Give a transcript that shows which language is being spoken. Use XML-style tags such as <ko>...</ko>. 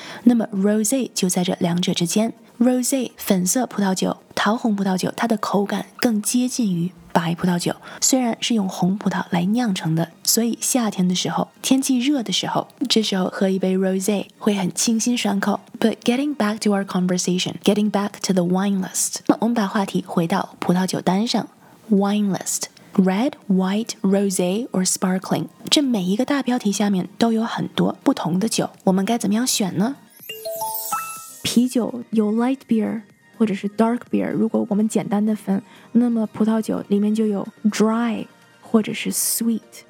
<zh>那么 Rosé 就在这两者之间。Rosé 粉色葡萄酒，桃红葡萄酒，它的口感更接近于白葡萄酒，虽然是用红葡萄来酿成的，所以夏天的时候，天气热的时候，这时候喝一杯 Rosé 会很清新爽口。</zh> <en>But getting back to our conversation, getting back to the wine list, 那我们把话题回到葡萄酒单上。</en> <zh>Wine list, Red, White, Rosé or Sparkling, 这每一个大标题下面都有很多不同的酒，我们该怎么样选呢？啤酒有 Light Beer或者是 dark beer, 如果我们简单的分，那么葡萄酒里面就有 dry 或者是 sweet。</zh>